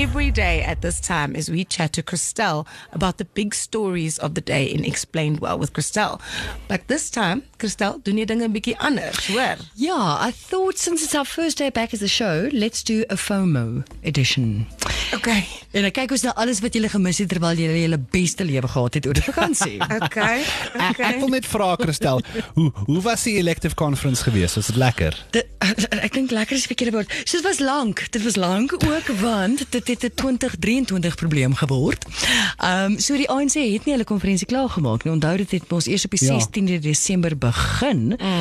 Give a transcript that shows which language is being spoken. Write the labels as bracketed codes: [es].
[en] Every day at this time as we chat to Christelle about the big stories of the day in Explained Well with Christelle. [af] But this time, Christelle, doen jy dinge 'n bietjie anders, hoor? [en] Yeah, I thought since it's our first day back as a show, let's do a FOMO edition. Okay. [af] En ek kyk ons na alles wat julle gemis het terwyl julle julle beste lewe gehad het oor die vakansie. [en] Okay. [af] Ek wil net vra, Christelle, hoe was die [en] elective conference [af] geweest? Was dit lekker? Ek dink lekker is 'n verkeerde woord. So dit was lank. Dit was lank ook, want dit het 'n 2023 probleem geword. So die ANC het nie hulle konferensie klaargemaak nie. Onthou dit het ons eers op die 16de Desember begin.